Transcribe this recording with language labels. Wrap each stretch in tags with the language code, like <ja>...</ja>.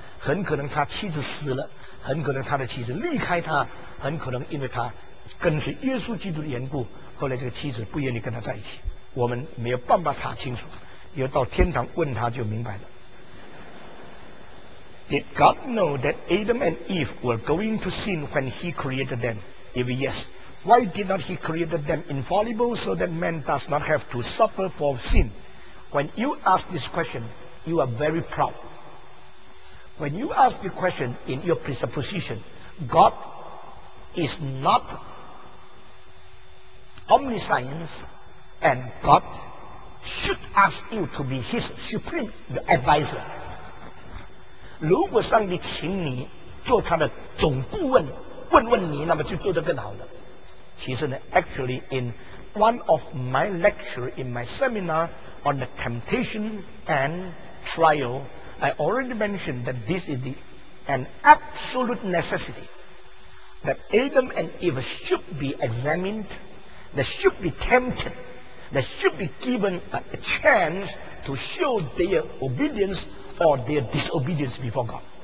<zh>很可能他妻子死了，很可能他的妻子离开他，很可能因为他跟随耶稣基督的缘故，后来这个妻子不愿意跟他在一起，我们没有办法查清楚，要到天堂问他就明白了。</zh> <en>Did God know that Adam and Eve were going to sin when he created them? If yes, why did not he create them infallible so that man does not have to suffer for sin? When you ask this question, you are very proud. When you ask the question in your presupposition, God is not omniscient and God should ask you to be his supreme advisor.</en> <zh>如果上帝请你做他的总顾问，问问你，那么就做得更好了。其实呢</zh> <en>actually in one of my lecture in my seminar on the temptation and trial,I already mentioned that this is an absolute necessity that Adam and Eve should be examined, they should be tempted, they should be given a chance to show their obedience or their disobedience before God.</en>